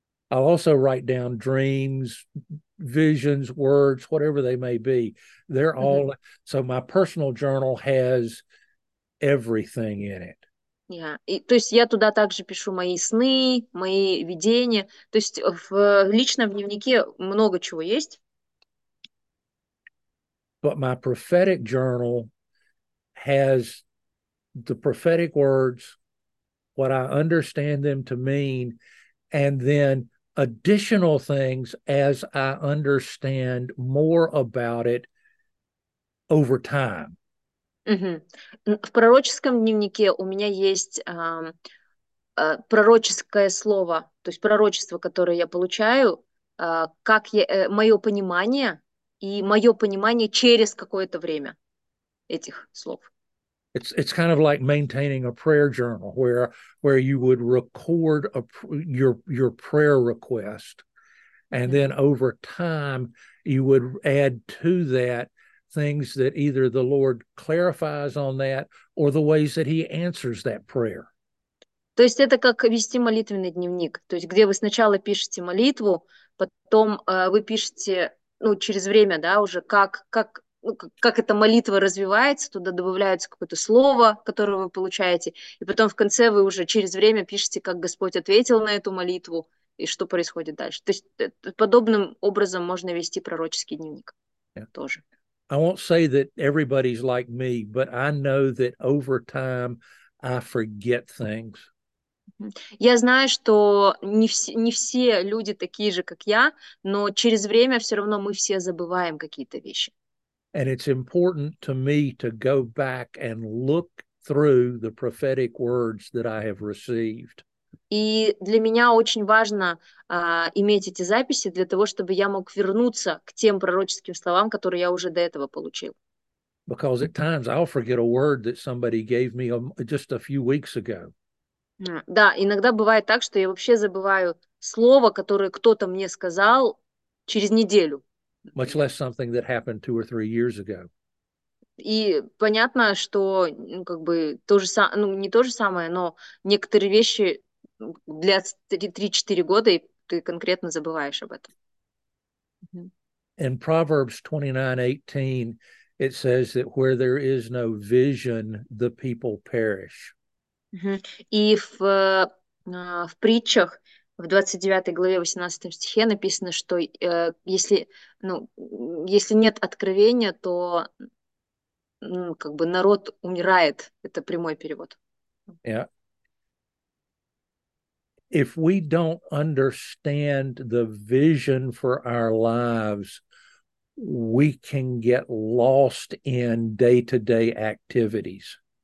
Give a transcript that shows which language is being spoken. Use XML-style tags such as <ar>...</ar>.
<en>I'll also write down dreams, visions, words, whatever they may be. They're all, so my personal journal has everything in it. Yeah.</en> <ru>И, то есть я туда также пишу мои сны, мои видения. То есть в личном дневнике много чего есть.</ru> <en>But my prophetic journal has the prophetic words, what I understand them to mean, and then additional things as I understand more about it over time.</en> <ru>В пророческом дневнике у меня есть пророческое слово, то есть пророчество, которое я получаю, как я, мое понимание и мое понимание через какое-то время этих слов.</ru> <en>It's kind of like maintaining a prayer journal where you would record your prayer request, and then over time you would add to that things that either the Lord clarifies on that or the ways that He answers that prayer.</en> <ru>То есть это как вести молитвенный дневник, то есть где вы сначала пишете молитву, потом вы пишете, ну, через время, да, уже как ну, как эта молитва развивается, туда добавляется какое-то слово, которое вы получаете, и потом в конце вы уже через время пишете, как Господь ответил на эту молитву и что происходит дальше. То есть подобным образом можно вести пророческий дневник тоже.</ru> <en>I won't say that everybody's like me, but I know that over time I forget things.</en> <ru>Я знаю, что не все люди такие же, как я, но через время все равно мы все забываем какие-то вещи.</ru> <en>And it's important to me to go back and look through the prophetic words that I have received.</en> <ru>И для меня очень важно иметь эти записи для того, чтобы я мог вернуться к тем пророческим словам, которые я уже до этого получил.</ru> <en>Because at times I'll forget a word that somebody gave me just a few weeks ago.</en> <ru>Да, иногда бывает так, что я вообще забываю слово, которое кто-то мне сказал через неделю.</ru> <en>Much less something that happened two or three years ago.</en> <ru>И понятно, что ну, как бы то же самое, ну не то же самое, но некоторые вещи для 3-4 года и ты конкретно забываешь об этом.</ru> <en>In Proverbs 29:18, it says that where there is no vision, the people perish.</en> <ru>И в притчах в 29 главе 18 стихе написано, что если, ну, если нет откровения, то ну, как бы народ умирает. Это прямой перевод.</ru> <en>Yeah. If we don't understand the vision for our lives, we can get lost in day-to-day activities.</en>